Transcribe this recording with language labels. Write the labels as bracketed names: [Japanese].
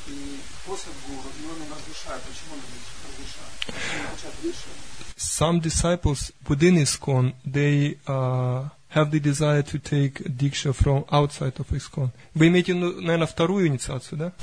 [Russian] И после гуру, и он им разрешает. Почему он им разрешает? [English] Some disciples within ISKCON, they have the desire to take diksha from outside of ISKCON. [Russian] Вы имеете, наверное, вторую инициацию, да?